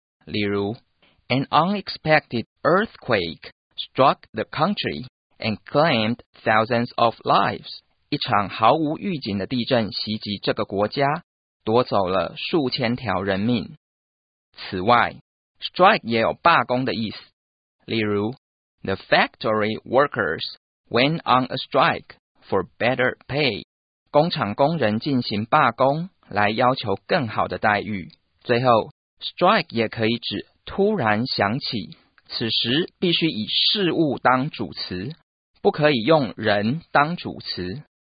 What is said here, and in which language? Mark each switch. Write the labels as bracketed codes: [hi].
[zh] 例如 [en] ，An unexpected earthquake struck the country and claimed thousands of lives. [zh] 一场毫无预警的地震袭击这个国家，夺走了数千条人命。此外 ，strike 也有罢工的意思。例如 [en] The factory workers went on a strike for better pay. [zh] 工厂工人进行罢工来要求更好的待遇。最后 strike 也可以指突然响起，此时必须以事物当主词，不可以用人当主词。